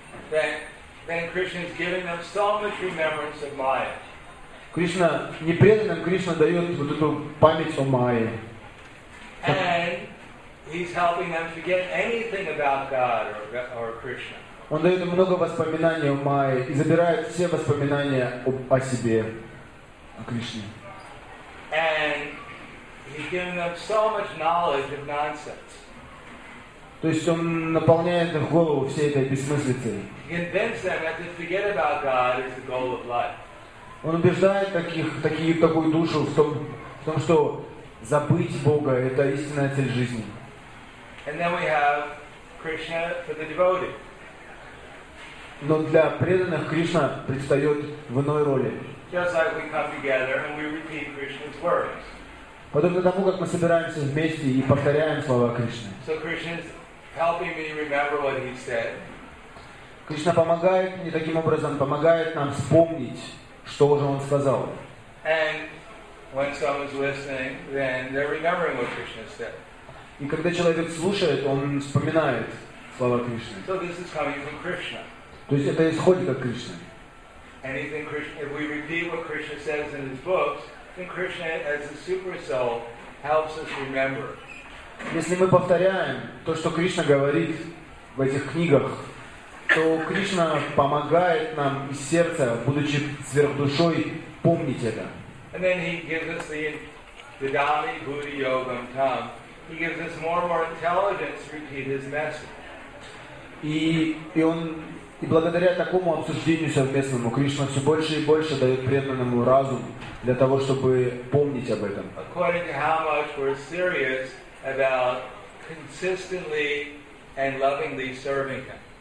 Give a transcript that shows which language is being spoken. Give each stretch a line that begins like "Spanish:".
English: Then Krishna's giving them so much remembrance of Maya.
Russian: Кришна, непреданным Кришна дает вот эту память о Майе.
English: And he's helping them forget anything about God or Krishna.
Russian: Он дает много воспоминаний о Майе и забирает все воспоминания о себе, о Кришне.
English: And he's giving them so much knowledge of nonsense.
Russian: То есть он наполняет их голову всей этой бессмыслицей.
English: He convinces them that to forget about God is the goal of life.
Russian: Он убеждает такую душу в том, что забыть Бога — это истинная цель жизни.
English: And then we have Krishna for the devotee.
Russian: Но для преданных Кришна предстает в иной роли.
English: Just like we come together and we repeat Krishna's words.
Russian: Подобно тому, как мы собираемся вместе и повторяем слова Кришны.
English: So Krishna's helping me remember what he said.
Russian: Кришна помогает мне таким образом, помогает нам вспомнить, что же он сказал.
English: And when someone's listening, then they're remembering what Krishna said.
Russian: И когда человек слушает, он вспоминает слова Кришны.
English: So this is coming from Krishna.
Russian: То есть это исходит от Кришны.
English: Anything Krishna, if we repeat what Krishna says in his books, then Krishna as the super soul helps us remember.
Russian: Если мы повторяем то, что Кришна говорит в этих книгах, то Кришна помогает нам из сердца, будучи сверхдушой, помнить это.
English: And then he gives us the
Sanskrit: Dhammi Buddhi Yogam Tam.
English: He gives us more and more intelligence to repeat his message.
Russian: И благодаря такому обсуждению совместному Кришна все больше и больше дает преданному разум для того, чтобы помнить об этом.
English: According to how much we're serious about consistently and lovingly serving him.